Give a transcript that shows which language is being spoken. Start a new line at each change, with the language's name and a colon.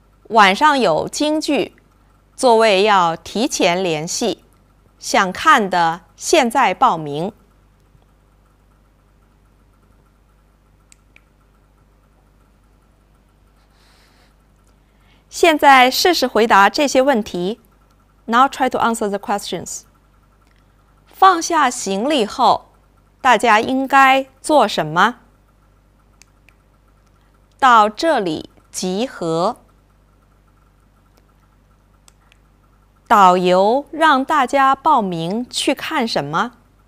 Chinese: 晚上有京剧，座位要提前联系。想看的现在报名。现在试试回答这些问题。
English: Now try to answer the questions.
Chinese: 放下行李后，大家应该做什么？到这里集合。导游让大家报名去看什么？